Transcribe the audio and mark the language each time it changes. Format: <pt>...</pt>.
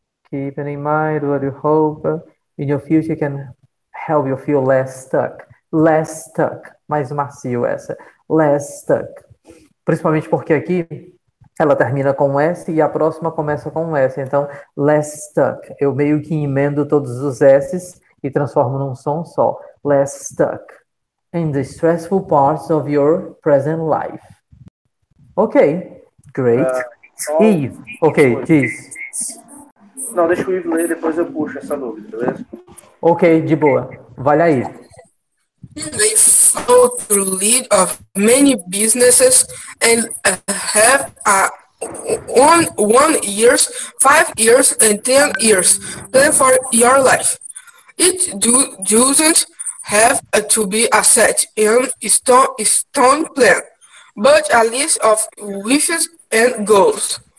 <en>Keeping in mind what you hope in your future can help you feel less stuck.</en> <pt>Mais macio essa.</pt> <en>Less stuck.</en> <pt>Principalmente porque aqui ela termina com um S e a próxima começa com um S. Então,</pt> <en>less stuck.</en> <pt>Eu meio que emendo todos os S's e transformo num som só.</pt> <en>Less stuck. In the stressful parts of your present life. Ok. Great. Eve. Ok, geez.</en> <pt>Não, deixa o Ivo ler e depois eu puxo essa dúvida, beleza? Ok, de boa. Vale aí.</pt> <en>They follow the lead of many businesses and have a one year, 5 years, and 10 years plan for your life. It doesn't have to be a set in stone plan, but a list of wishes and goals.</en>